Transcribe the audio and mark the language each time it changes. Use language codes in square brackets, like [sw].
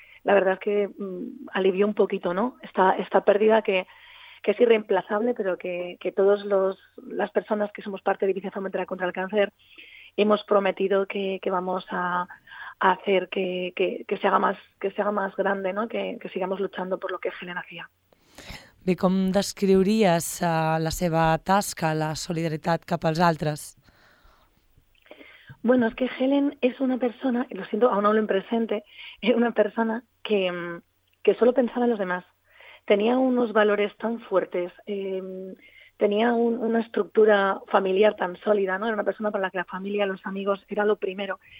[es] La verdad es que alivió un poquito, ¿no?, esta pérdida que es irreemplazable, pero que todas las personas que somos parte de Eivissa y Formentera contra el cáncer hemos prometido que vamos a hacer que se haga más grande, ¿no?, que sigamos luchando por lo que Helen hacía. [ca] Bé, com descriuries la seva tasca, la solidaritat cap als altres? [es] Bueno, es que Helen es una persona, lo siento, aún hablo en presente, era una persona que solo pensaba en los demás. Tenía unos valores tan fuertes, tenía una estructura familiar tan sólida, ¿no? Era una persona para la que la familia, los amigos, era lo primero.